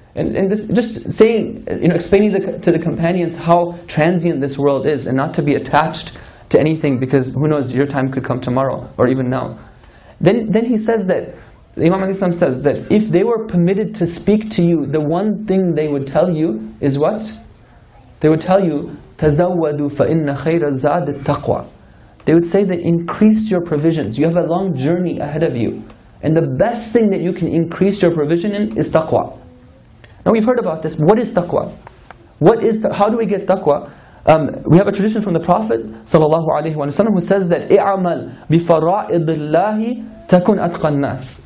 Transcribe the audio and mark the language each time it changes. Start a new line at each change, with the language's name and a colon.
English: And this, just saying, you know, explaining to the companions how transient this world is, and not to be attached to anything, because who knows, your time could come tomorrow or even now. Then he says that, Imam Ali Islam says that if they were permitted to speak to you, the one thing they would tell you is what? They would tell you,
Arabic: تَزَوَّدُ فَإِنَّ خَيْرَ زَادِ التَّقْوَى.
English: They would say that increase your provisions. You have a long journey ahead of you. And the best thing that you can increase your provision in is taqwa. Now we've heard about this. What is taqwa? How do we get taqwa? We have a tradition from the Prophet sallallahu alaihi wasallam who says that
Arabic: اِعْمَلْ بِفَرَائِضِ اللَّهِ تَكُنْ أَتْقَى النَّاسِ.